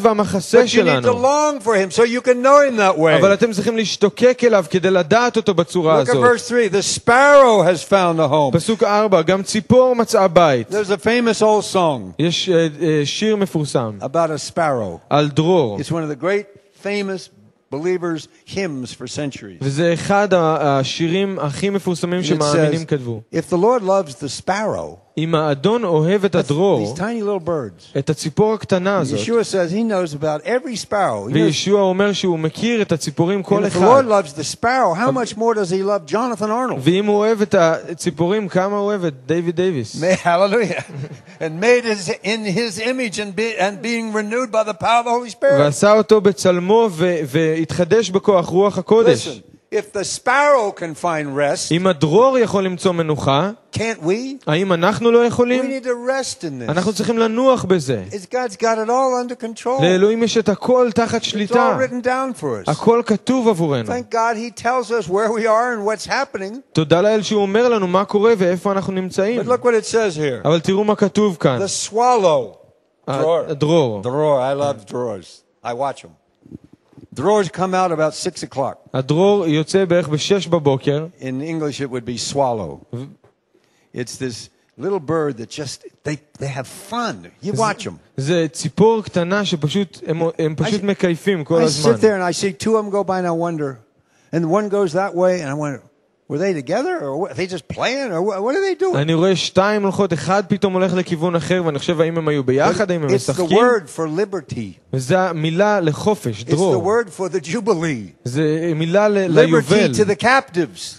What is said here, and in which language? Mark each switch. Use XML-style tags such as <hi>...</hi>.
<en>But you need to long for him so you can know him that way.</en> <he>אבל אתם צריכים להשתוקק אליו כדי לדעת אותו בצורה הזאת.</he> <en>Look at verse 3. The sparrow has found a home.</en> <he>פסוק 4. גם ציפור מצאה בית.</he> <en>There's a famous old song.</en> <he>יש שיר מפורסם.</he> <en>About a sparrow.</en> <he>על דרור.</he> <en>It's one of the great famous believers hymns for centuries.</en> <he>וזה אחד השירים הכי מפורסמים שמאמינים כתבו.</he> <en>If the Lord loves the sparrow,</en> <he>אם האדון אוהב את הדרור, את הציפור הקטנה הזאת,</he> <en>Yeshua says he knows about every sparrow.</en> <he>וישוע אומר שהוא מכיר את הציפורים כל אחד.</he> <en>If the Lord loves the sparrow, how much more does he love Jonathan Arnold?</en> <he>ואם הוא אוהב את הציפורים, כמה הוא אוהב את דייוויד דייוויס?</he> <en>Hallelujah. And made his in his image and being renewed by the power of the Holy Spirit.</en> <he>ועשה אותו בצלמו והתחדש בכוח רוח הקודש.</he> <en>Listen. If the sparrow can find rest,</en> <he>אם הדרור יכול למצוא מנוחה,</he> <en>can't we?</en> <he>האם אנחנו לא יכולים?</he> <en>We need to rest in this.</en> <he>אנחנו צריכים לנוח בזה.</he> <en>God's got it all under control.</en> <he>לאלוהים יש את הכל תחת שליטה.</he> <en>It's all written down for us.</en> <he>הכל כתוב עבורנו.</he> <en>Thank God he tells us where we are and what's happening.</en> <he>תודה לאל שהוא אומר לנו מה קורה ואיפה אנחנו נמצאים.</he> <en>But look what it says here.</en> <he>אבל תראו מה כתוב כאן.</he> <en>The swallow.</en> <he>הדרור. Drawer.</he> <en>I love drawers. I watch them. Drawers come out about 6 o'clock.</en> <he>הדרור יוצא בערך ב-6 בבוקר.</he> <en>In English it would be swallow. It's this little bird that just they have fun. You watch them.</en> <he>זה ציפור קטנה שפשוט הם פשוט מקייפים כל הזמן.</he> <en>I sit there and I see two of them go by and I wonder. And one goes that way and I wonder, were they together or are they just playing or what are they doing?</en> <he>אני רואה שתיים הולכות, אחד פתאום הולך לכיוון אחר ואני חושב האם הם היו ביחד, האם הם משחקים?</he> <en>It's the word for liberty.</en> <he>זה מילה לחופש, דרור.</he> <en>It's the word for the jubilee.</en> <he>זה מילה ליובל.</he> <en>Liberty to the captives.</en>